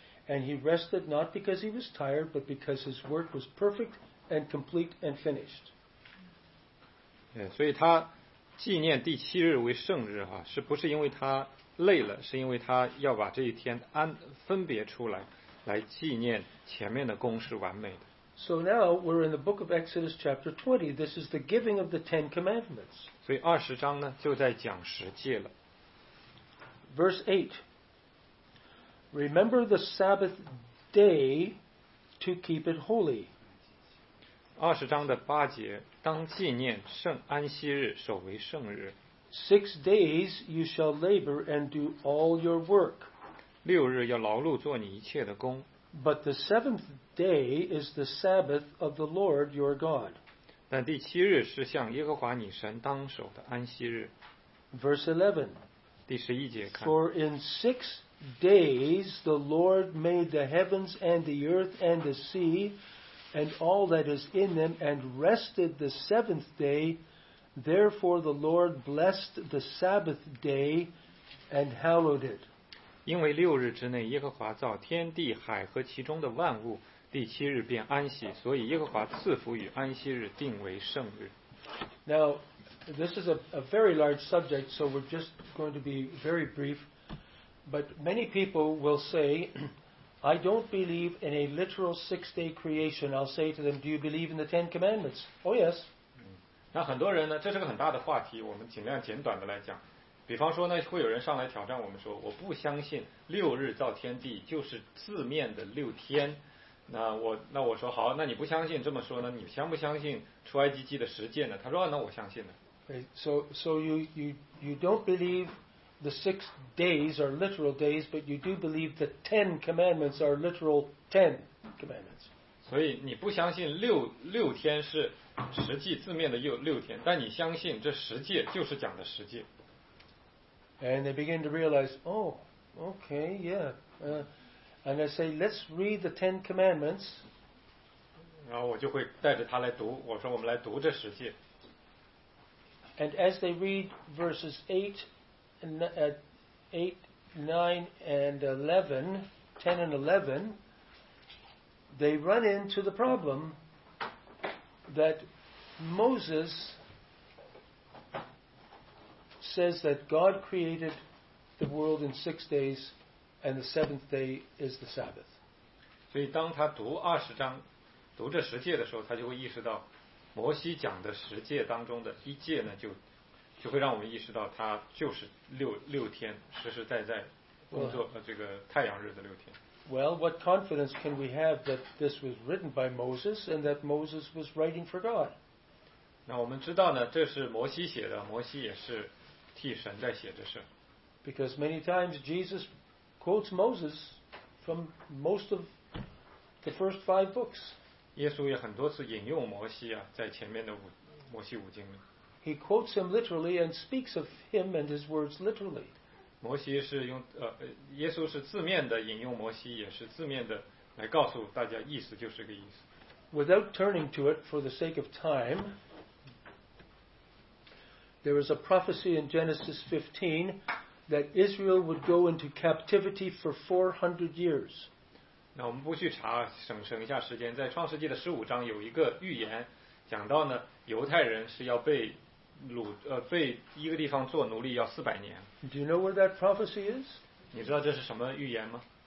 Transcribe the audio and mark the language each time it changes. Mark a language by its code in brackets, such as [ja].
[en] And he rested not because he was tired, but because his work was perfect and complete and finished. [zh] Yeah, 所以他纪念第七日为圣日哈，是不是因为他累了，是因为他要把这一天安分别出来，来纪念前面的工是完美的。 [en] So now we're in the book of Exodus chapter 20. This is the giving of the Ten Commandments. [zh] 所以二十章呢就在讲十诫了。 [en] Verse 8. Remember the Sabbath day to keep it holy. [zh] 二十章的八节，当纪念圣安息日，守为圣日。 [en] Six days you shall labor and do all your work. [zh] 六日要劳碌做你一切的工。 [en] But the seventh day is the Sabbath of the Lord your God. [zh] 但第七日是向耶和华你神当守的安息日。 [en] Verse 11. [zh] 第十一节看。 [en] For in 6 days the Lord made the heavens and the earth and the sea and all that is in them and rested the seventh day. Therefore the Lord blessed the Sabbath day and hallowed it. [zh] 因为六日之内耶和华造天地海和其中的万物，第七日便安息，所以耶和华赐福与安息日，定为圣日。 [en] Now, This is a very large subject, so we're just going to be very brief. But many people will say, I don't believe in a literal six-day creation. I'll say to them, do you believe in the Ten Commandments? Oh, yes. [zh] 那很多人呢，这是个很大的话题，我们尽量简短的来讲。比方说呢，会有人上来挑战我们说，我不相信六日造天地就是字面的六天。那我说好，那你不相信这么说呢？你相不相信出埃及记的十诫呢？他说、啊、那我相信呢。 [en] Okay, so you don't believe the six days are literal days, but you do believe the ten commandments are literal ten commandments. [zh] 所以你不相信六天是实际字面的六天，但你相信这十诫就是讲的十诫。 [en] And they begin to realize, oh, okay, yeah. And I say, let's read the Ten Commandments. [zh] 然后我就会带着他来读，我说我们来读这十诫。 [en] And as they read verses 8, 9, and 11, they run into the problem that Moses says that God created the world in six days, and the seventh day is the Sabbath. [zh] 所以当他读二十章，读这十诫的时候，他就会意识到，摩西讲的十诫当中的一诫呢，就会让我们意识到，他就是六天，实实在在工作这个太阳日的六天。 [en] Well, what confidence can we have that this was written by Moses and that Moses was writing for God? [zh] 那我们知道呢，这是摩西写的，摩西也是替神在写这事。 [en] Because many times Jesus quotes Moses from most of the first five books. [zh] 耶稣也很多次引用摩西啊，在前面的摩西五经里。 [en] He quotes him literally and speaks of him and his words literally. [zh] 摩西是用耶稣是字面的引用摩西，也是字面的来告诉大家意思就是个意思。 [en] Without turning to it for the sake of time, there is a prophecy in Genesis 15 that Israel would go into captivity for 400 years. [zh] 那我们不去查，省一下时间，在创世纪的十五章有一个预言，讲到呢，犹太人是要被被一个地方做奴隶要四百年。 [en] Do you know where that prophecy is? [zh] 你知道这是什么预言吗？